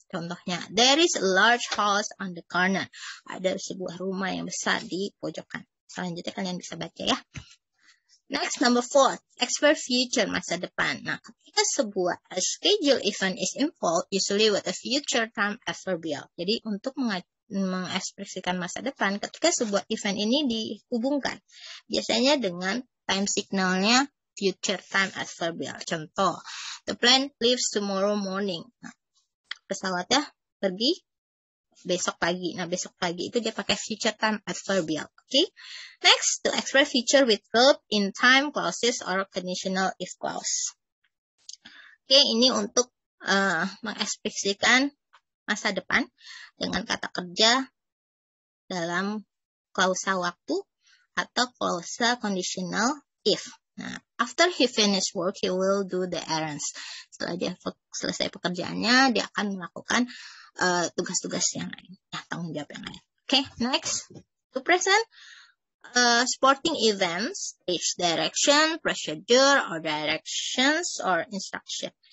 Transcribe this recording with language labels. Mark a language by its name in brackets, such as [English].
[English] Contohnya, there is a large house on the corner. [Indonesian] Ada sebuah rumah yang besar di pojokan. Selanjutnya kalian bisa baca ya. [English] Next, number four, expect future, [Indonesian] masa depan. Nah, ketika sebuah [English] schedule event is involved, usually with a future time adverbial. [Indonesian] Jadi, untuk mengekspresikan masa depan, ketika sebuah event ini dihubungkan, biasanya dengan time signalnya future time adverbial. [English] Contoh, the plane leaves tomorrow morning. [Indonesian] Nah, pesawatnya pergi besok pagi. Nah, besok pagi itu dia pakai [English] future time adverbial. Okay. Next, to express future with verb in time clauses or conditional if clause. [Indonesian] Okay, ini untuk mengekspresikan masa depan dengan kata kerja dalam klausa waktu atau klausa conditional if. [English] Nah, after he finish work, he will do the errands. [Indonesian] Setelah dia selesai pekerjaannya, dia akan melakukan tugas-tugas yang lain, ya, tanggung jawab yang lain. [English] Okay, next. To present sporting events, each direction, procedure, or directions, or instruction.